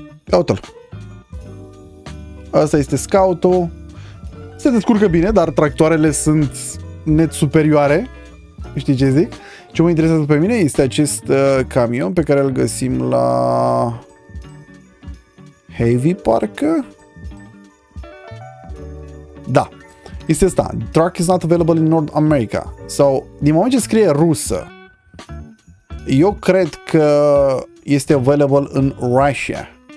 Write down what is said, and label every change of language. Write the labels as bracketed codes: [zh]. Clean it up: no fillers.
[ro] Ia uite-l. Asta este scoutul. Se descurcă bine, dar tractoarele sunt net superioare. Știi ce zic? Ce mă interesează pe mine este acest camion pe care îl găsim la Heavy Park. Da. Este asta. [en] Truck is not available in North America. [ro] Sau, din moment ce scrie rusă, eu cred că este available în Russia.